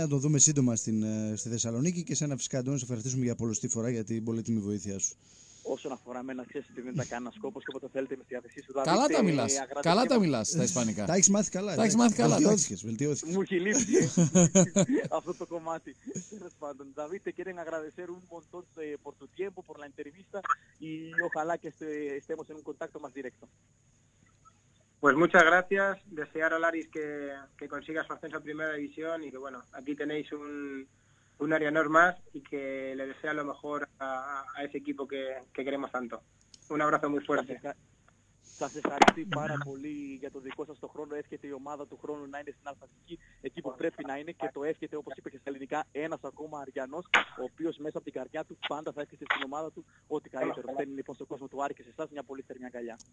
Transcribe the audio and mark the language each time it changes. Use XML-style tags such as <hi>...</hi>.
<el>Να τον δούμε σύντομα στη Θεσσαλονίκη και σένα φυσικά Αντώνη, σε ευχαριστήσουμε για πολλωστή φορά για την πολύτιμη βοήθειά σου. Όσον αφορά εμένα, ξέρεις ότι δεν τα κάνω σκόπος και όποτε θέλετε με τη διάθεσή σου. Καλά τα μιλάς. Καλά τα μιλάς στα Ισπανικά. Τα έχεις μάθει καλά. Τα έχεις μάθει καλά. Βελτιώθηκες. Μου έχει λείψει αυτό το κομμάτι. Τέλος πάντων,</el> <es>Δαβίτε, quiero agradecer un montón por tu tiempo, por la entrevista y ojalá que estemos en un contacto más directo. Pues muchas gracias. Desear a Laris que consiga su ascenso a primera división y que bueno, aquí tenéis un Arianor más y que le desea lo mejor a ese equipo que queremos tanto. Un abrazo muy fuerte.</es> <el>Σας ευχαριστώ πάρα πολύ για το δικό σας το χρόνο. Εύχεται η ομάδα του χρόνου να είναι στην αλφαβητική εκεί που πρέπει να είναι και το εύχεται όπως είπε και στα ελληνικά ένας ακόμα Αριανός ο οποίος μέσα από την καρδιά του πάντα θα έρχεται στην ομάδα του ό,τι καλύτερο. Θέλει λοιπόν στον κόσμο του Άρη και σε εσάς μια πολύ θερμή αγκαλιά.</el>